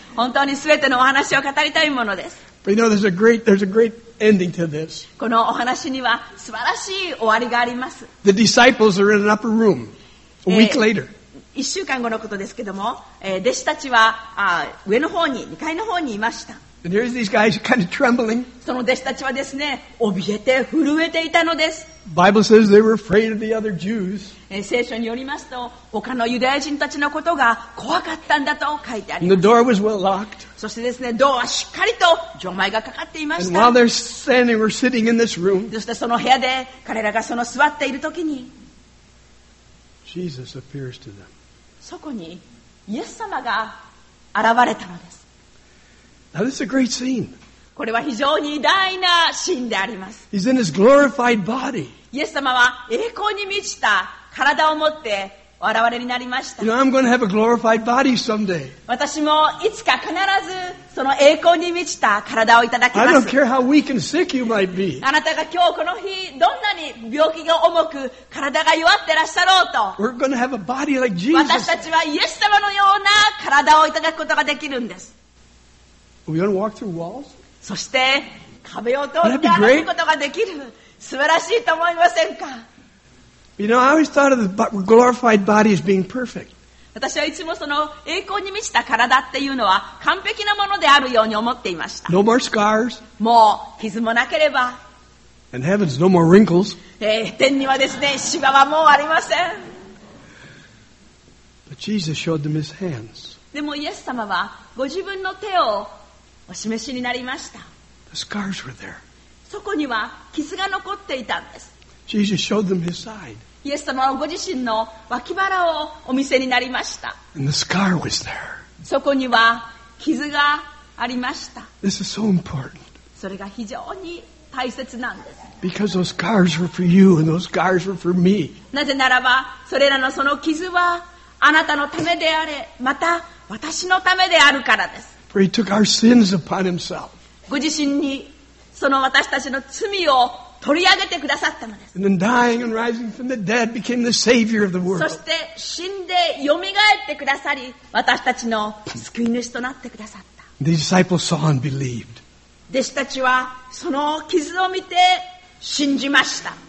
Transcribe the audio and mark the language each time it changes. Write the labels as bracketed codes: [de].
[ja] 本当に全てのお話を語りたいものです。 [en] But you know, there's a great ending to this. [ja] このお話には素晴らしい終わりがあります。 [en] The disciples are in an upper room. A week later. [ja] 1週間後のことですけども、弟子たちは上の方に2階の方にいました。 [en] And here's these guys kind of trembling. [ja] その弟子たちはですね怯えて震えていたのです。 [en] Bible says they were afraid of the other Jews. [ja] 聖書によりますと他のユダヤ人たちのことが怖かったんだと書いてあります。 [en] And the door was well locked. [ja] そしてですねドアはしっかりと錠前がかかっていました。 [en] And while they're standing or sitting in this room, [ja] そしてその部屋で彼らがその座っているときに [en] Jesus appears to them. [ja] そこにイエス様が現れたのです。 [en] Now this is a great scene. [ja] これは非常に偉大なシーンであります。 [en] He's in his glorified body. [ja] イエス様は栄光に満ちた体を持ってお現れになりました。 [en] You know, I'm going to have a glorified body someday. [ja] 私もいつか必ずその栄光に満ちた体をいただきます。 [en] I don't care how weak and sick you might be. [ja] あなたが今日この日どんなに病気が重く体が弱ってらっしゃろうと。 [en] We're going to have a body like Jesus. [ja] 私たちはイエス様のような体をいただくことができるんです。 [en] We're going to walk through walls? [ja] そして壁を通って歩くことができる。素晴らしいと思いませんか？ [en] You know, I always thought of the glorified body as being perfect. [ja] 私はいつもその栄光に満ちた体っていうのは完璧なものであるように思っていました。 [en] No more scars. [ja] もう傷もなければ。 [en] And heavens, no more wrinkles. [ja] 天にはですね、シワはもうありません。 [en] But Jesus showed them his hands. [ja] でもイエス様はご自分の手をお示しになりました。 [en] The scars were there. [ja] そこには傷が残っていたんです。 [en] Jesus showed them his side. [ja] イエス様はご自身の脇腹をお見せになりました。 [en] And the scar was there. [ja] そこには傷がありました。 [en] This is so important. [ja] それが非常に大切なんです。 [en] Because those scars were for you and those scars were for me. [ja] なぜならば、それらのその傷はあなたのためであれ、また私のためであるからです。 [en] For he took our sins upon himself. [ja] ご自身にその私たちの罪を取り上げてくださったのです。 [en] And then dying and rising from the dead became the savior of the world. [ja] そして死んで蘇ってくださり、私たちの救い主となってくださった。 [en] The disciples saw and believed. [ja] 弟子たちはその傷を見て信じました。